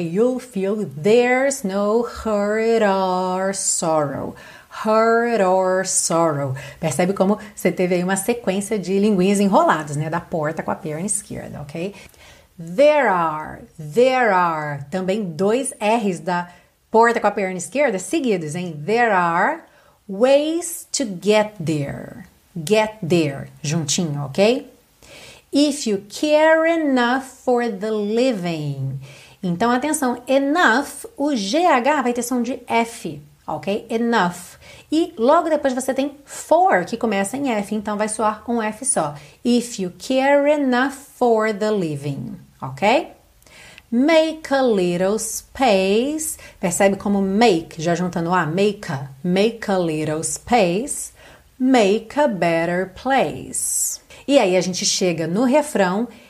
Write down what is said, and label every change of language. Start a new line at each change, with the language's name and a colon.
English: You'll feel there's no hurt or sorrow. Hurt or sorrow.
Portuguese: Percebe como você teve aí uma sequência de linguinhas enroladas, né? Da porta com a perna esquerda, ok? There are. Também dois R's da porta com a perna esquerda seguidos, hein?
English: There are ways to get there. Get there. Juntinho, ok? If you care enough for the living.
Portuguese: Então, atenção. Enough, o GH vai ter som de F, ok? Enough. E logo depois você tem for, que começa em F, então vai soar um F só.
English: If you care enough for the living, ok? Make a little space. Percebe como make, já juntando a make. Make a little space. Make a better place. E aí a gente chega no refrão.